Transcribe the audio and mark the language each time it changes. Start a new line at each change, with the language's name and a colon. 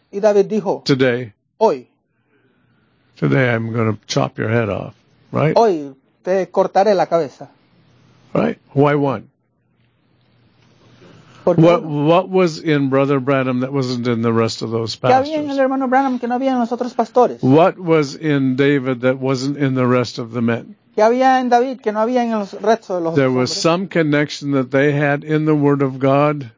Spanish: Y David dijo.
English: Today.
Spanish: Hoy.
English: Today I'm going to chop your head off, right?
Spanish: Hoy te cortaré la cabeza.
English: Right? Why one? What was in Brother Branham that wasn't in the rest of those pastors?
Spanish: ¿Qué había en el hermano Branham que no había en los otros pastores?
English: What was in David that wasn't in the rest of the men?
Spanish: ¿Qué había en David que no había en los restos de los
English: There was
Spanish: hombres?
English: Some connection that they had in the Word of God.